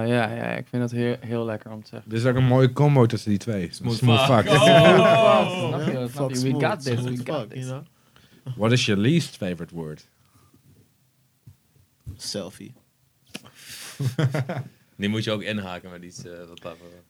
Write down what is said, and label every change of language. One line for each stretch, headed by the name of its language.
Dutch: Ja, ja, ik vind dat heel lekker om te zeggen. Dit is ook een mooie combo tussen die twee.
English: Smooth fuck. Oh. We got this. What is your least favorite word? Selfie.
Dutch: Nu moet je ook inhaken met iets wat daarvoor.